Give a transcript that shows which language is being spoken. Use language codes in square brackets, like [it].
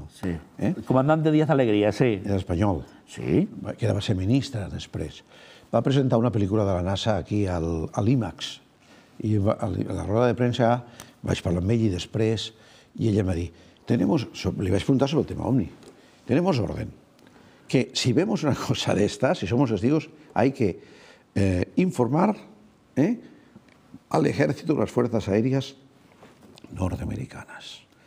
[ca] Sí, comandant de Díaz Alegría, sí. Era espanyol. Sí. Que va ser ministre després. Va presentar una pel·lícula de la NASA aquí, a l'IMAX. I a la roda de premsa vaig parlar amb ell i després... I ella em va dir... Li vaig preguntar sobre el tema ovni. [es] Tenemos orden. Que si vemos una cosa d'esta, si somos testigos, hay que informar al ejército de las fuerzas aéreas nord-americanas.